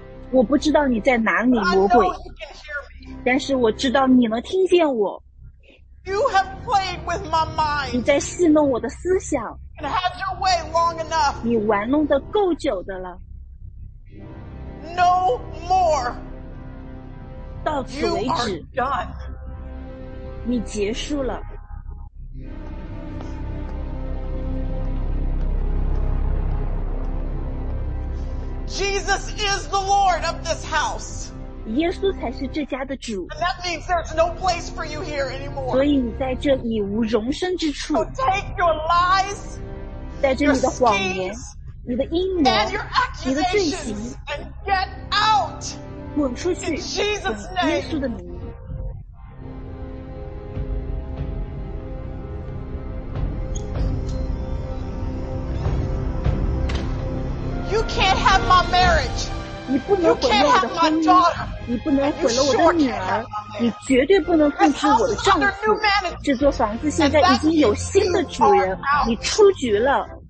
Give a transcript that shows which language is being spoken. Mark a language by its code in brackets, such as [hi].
[zh] 我不知道你在哪里，魔鬼，但是我知道你能听见我。 [en] You have played with my mind. [zh] 你在戏弄我的思想。 [en] And had your way long enough. [zh] 你玩弄得够久的了。 [en] No more. [zh] 到此为止。 [en] You are done. [zh] 你结束了。 [en] Jesus. Is the Lord of this house? [zh] 耶稣才是这家的主。 [en] And that means there's no place for you here anymore. [zh] 所以你在这已无容身之处。 [en] So take your lies, [zh] 带着你的谎言，你的阴谋， [en] and your accusations, [zh] 你的罪行 [en] and get out. [zh] 滚出去。 [en] In Jesus' name. [zh] 耶稣的名。 [en] You can't have my marriage. [zh] 你不能毁了我的婚姻，你不能毁了我的女儿，你绝对不能控制我的丈夫。这座房子现在已经有新的主人，你出局了。